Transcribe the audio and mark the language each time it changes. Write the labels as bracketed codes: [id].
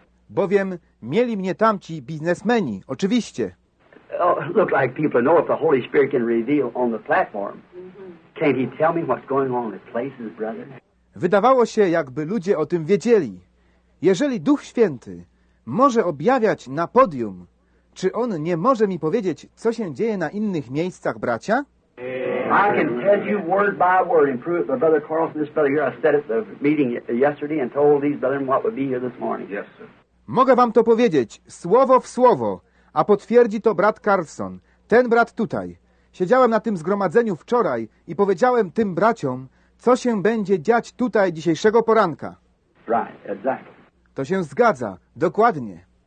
[pl] Bowiem mieli mnie tamci biznesmeni, oczywiście. [en] Look like people know if the Holy Spirit can reveal on the platform. Can he tell me what's going on in the places, brother? [pl] Wydawało się, jakby ludzie o tym wiedzieli. Jeżeli Duch Święty może objawiać na podium, czy on nie może mi powiedzieć, co się dzieje na innych miejscach, bracia? [en] I can tell you word by word and prove it, brother Carlson, this brother here, I said at the meeting yesterday and told these brethren what would be here this morning. Yes, sir. [pl] Mogę wam to powiedzieć, słowo w słowo, a potwierdzi to brat Carlson, ten brat tutaj. Siedziałem na tym zgromadzeniu wczoraj i powiedziałem tym braciom, co się będzie dziać tutaj dzisiejszego poranka. [en] Right, exactly. [pl] To się zgadza, dokładnie.